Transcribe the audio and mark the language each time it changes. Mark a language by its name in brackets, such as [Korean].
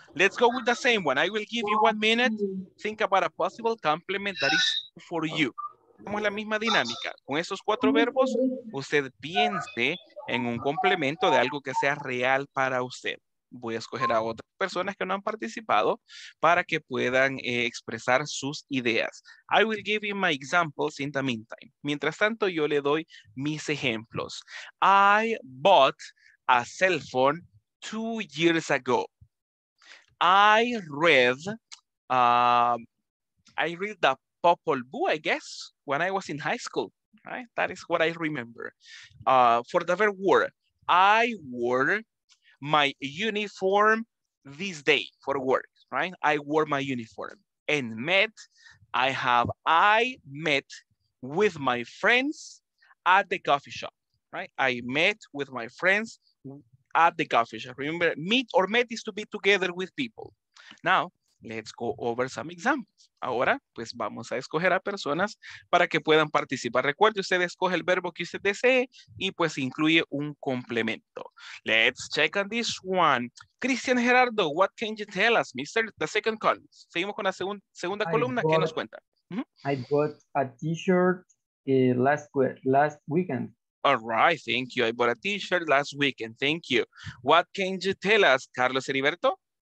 [English] Let's go with the same one. I will give you 1 minute. Think about a possible complement that is for you. [Spanish] Tenemos la misma dinámica. Con esos cuatro verbos, usted piense en un complemento de algo que sea real para usted. voy a escoger a otras personas que no han participado para que puedan expresar sus ideas. [English] I will give you my examples in the meantime. [Spanish] Mientras tanto, yo le doy mis ejemplos. [English] I bought a cell phone 2 years ago. I read the Popol Vuh, I guess, when I was in high school. Right? That is what I remember. For the verb wore, I wore my uniform this day for work, right? I wore my uniform. And met, I met with my friends at the coffee shop, right? I met with my friends at the coffee shop. Remember, meet or met is to be together with people. Now, let's go over some examples. [Spanish] Ahora, pues vamos a escoger a personas para que puedan participar. Recuerde, usted escoge el verbo que usted desee y pues incluye un complemento. [English] Let's check on this one. Cristian Gerardo, what can you tell us, Mr. The second column. [Spanish] Seguimos con la segunda columna. ¿Qué nos cuenta? [English] I bought a t-shirt last weekend. All right, thank you. I bought a t-shirt last weekend. Thank you. What can you tell us, Carlos Heriberto?